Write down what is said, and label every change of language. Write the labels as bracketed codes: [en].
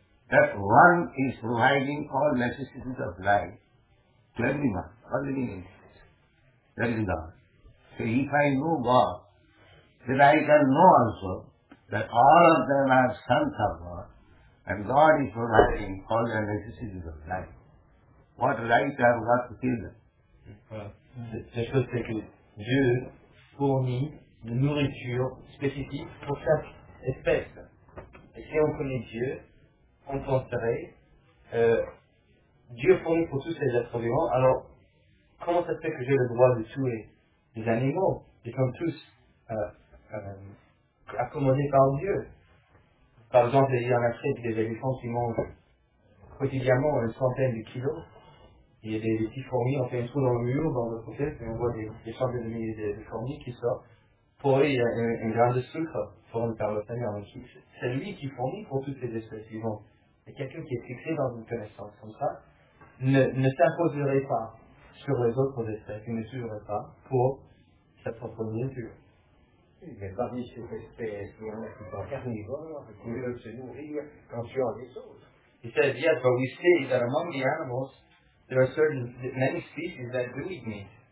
[en] That one is providing all necessities of life to everyone, all living entities. That is God. So if I know God, then I can know also that all of them are sons of God, and God is providing all their necessities of life. What right have God to kill them? [fr] La chose c'est que Dieu fournit une nourriture spécifique pour chaque espèce. Et si on connaît Dieu, on penserait, Dieu fournit pour tous ces êtres vivants, alors comment ça se fait que j'ai le droit de tuer les animaux qui sont tous accommodés par Dieu. Par exemple, il y en a très des éléphants qui mangent quotidiennement 100 kilos. Il y a des petits fourmis, on fait un trou dans le mur, dans notre côté, et on voit des centaines de milliers de fourmis qui sortent. Pour eux, il y a un grain de sucre fourni par le Seigneur. C'est lui qui fournit pour toutes les espèces vivantes. Et quelqu'un qui est fixé dans une connaissance comme ça ne s'imposerait pas sur les autres espèces, il ne suivrait pas pour sa propre nourriture. Mais parmi ces espèces, il y en a qui sont carnivores, qui veulent se nourrir qu'en tuant les autres. Il s'est dit, [en] but we say that among the animals, there are certain many species that do eat meat.